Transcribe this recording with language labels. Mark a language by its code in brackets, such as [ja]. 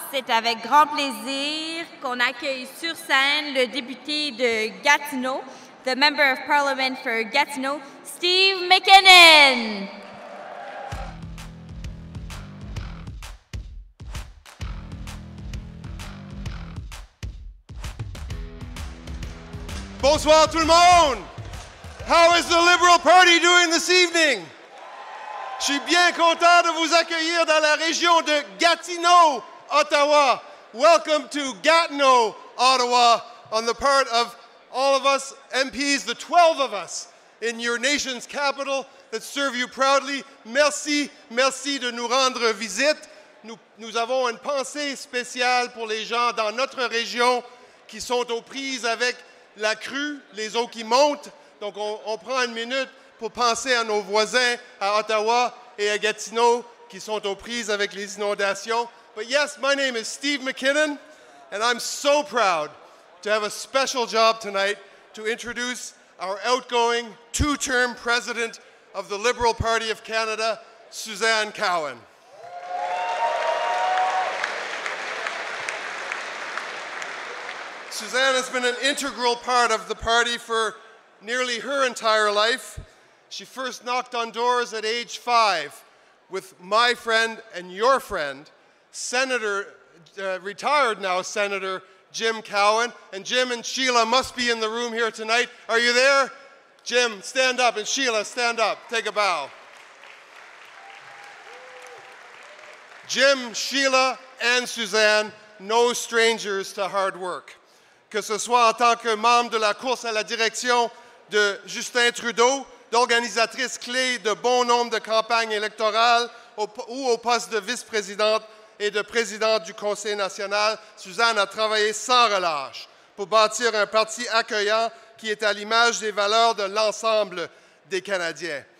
[fr] C'est avec grand plaisir qu'on accueille sur scène le député de Gatineau, [en] the Member of Parliament for Gatineau, [fr] Steve McKinnon. Bonsoir tout le monde! [en] How is the Liberal Party doing this evening? [fr] Je suis bien content de vous accueillir dans la région de Gatineau, Ottawa. [en] Welcome to Gatineau, Ottawa, on the part of all of us MPs, the 12 of us in your nation's capital that serve you proudly. [fr] Merci, merci de nous rendre visite. Nous avons une pensée spéciale pour les gens dans notre région qui sont aux prises avec la crue, les eaux qui montent. Donc on prend une minute pour penser à nos voisins à Ottawa et à Gatineau qui sont aux prises avec les inondations. [en] But yes, my name is Steve McKinnon, and I'm so proud to have a special job tonight to introduce our outgoing two-term president of the Liberal Party of Canada, Suzanne Cowan. Suzanne has been an integral part of the party for nearly her entire life. She first knocked on doors at age 5 with my friend and your friend, retired now Senator Jim Cowan. And Jim and Sheila must be in the room here tonight. Are you there? Jim, stand up. And Sheila, stand up. Take a bow. Jim, Sheila, and Suzanne, no strangers to hard work. [fr] Que ce soit en tant que membre de la course à la direction de Justin Trudeau, d'organisatrice clé de bon nombre de campagnes électorales ou au poste de vice-présidente et de présidente du Conseil national, Suzanne a travaillé sans relâche pour bâtir un parti accueillant qui est à l'image des valeurs de l'ensemble des Canadiens.